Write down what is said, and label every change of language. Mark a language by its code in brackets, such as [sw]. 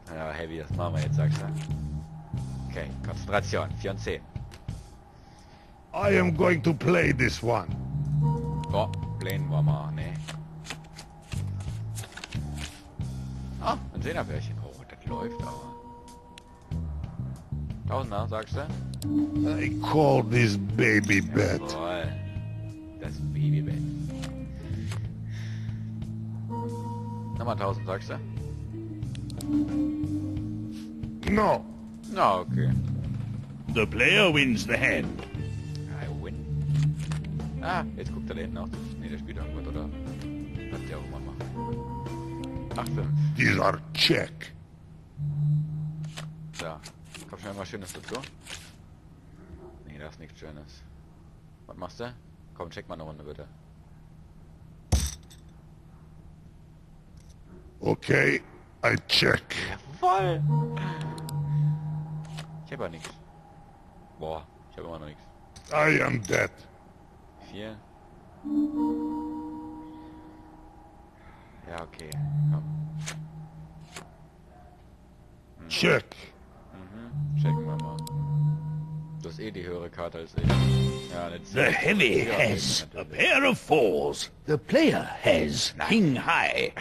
[de] Ja, Heavy, das machen wir jetzt, sag ich mal. Okay, Konzentration, 4 und 10. [en] I am going to play this one. [de] Oh, playen wir mal, ne. Oh, ein 10er Pärchen. Oh, das läuft aber. 1000er, sagst du? [en] I call this baby bet. [de] Jawohl. Das [en] Baby bet. [de] Nochmal 1000, sagst du? [en] No. No, okay. The player wins the hand. I win. [de] Ah, jetzt guckt er da hinten auch. Ne, der spielt irgendwas, oder? Hat der auch mal machen. 8-5. [en] These are check. [de] So. Komm schon mal Schönes dazu. Ne, das ist nichts Schönes. Was machst du? Komm, check mal eine Runde, bitte. [en] Okay, I check. [de] Jawoll! Ich hab ja nichts. Boah, ich hab immer noch nichts. [en] I am dead. 4. [de] Ja, okay. Komm. [en] Check. [de] Checken wir mal. Du hast eh die höhere Karte als ich. Ja, [en] the heavy has a pair of fours. The player has king high.